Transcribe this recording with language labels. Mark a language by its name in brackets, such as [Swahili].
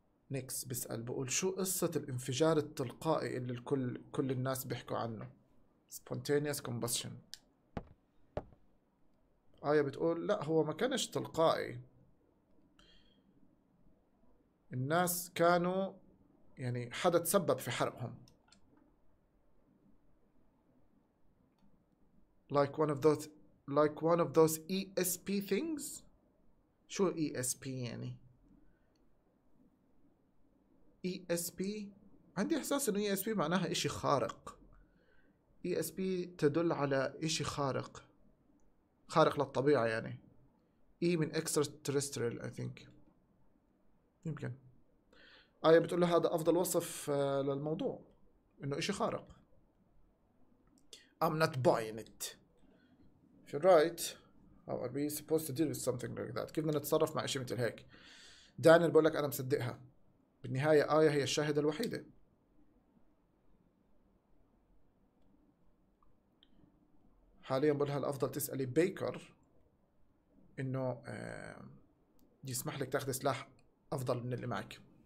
[Arabic] نيكس بيسأل بقول شو قصة الانفجار التلقائي اللي كل الناس بيحكوا عنه؟ spontaneous combustion. آية بتقول لا هو ما كانش تلقائي. الناس كانوا يعني حدا تسبب في حرقهم. [English] Like one of those ESP things. [Arabic] شو ESP يعني؟ ESP عندي إحساس إنه USB معناها إشي خارق. USB تدل على إشي خارق، خارق للطبيعة يعني. [English] E من extraterrestrial I think. [Arabic] يمكن. آية بتقول له هذا أفضل وصف للموضوع، إنه إشي خارق. [English] I'm not buying it. If you're right, how are we supposed to deal with something like that? [Arabic] كيف بدنا نتصرف مع إشي مثل هيك؟ دانيال بقول لك أنا مصدقها. بالنهاية آية هي الشاهدة الوحيدة. حاليا بقولها الأفضل تسألي بيكر إنه يسمح لك تأخذ سلاح أفضل من اللي معك.